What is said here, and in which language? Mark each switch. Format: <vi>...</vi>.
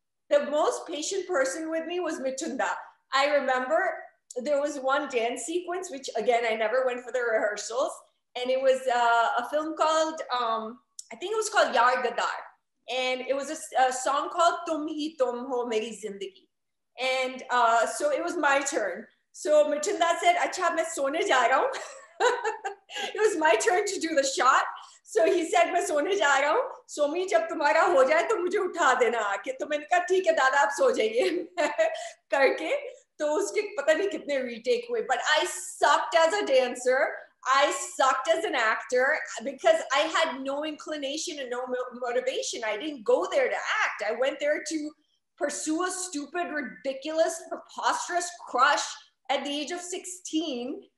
<en>The most patient person with me was Mitunda. I remember there was one dance sequence, which again, I never went for the rehearsals. And it was a film called, I think it was called Yaar Gadar. And it was a song called Tum Hi Tum Ho Meri Zindagi. And so it was my turn. So Mitunda said,</en> <hi>अच्छा, मैं सोने जा रहा हूँ.</hi> <en>It was my turn to do the shot. So he said,</en> <hi>मैं सोने जा रहा हूँ. सोमी, जब तुम्हारा हो जाए, तो मुझे उठा देना आके. तो मैंने कहा, ठीक है, दादा, अब सो जाइए. Karke. तो उसके पता नहीं कितने रीटेक हुए.</hi> <en>But I sucked as a dancer. I sucked as an actor because I had no inclination and no motivation. I didn't go there to act. I went there to pursue a stupid, ridiculous, preposterous crush at the age of 16.</en>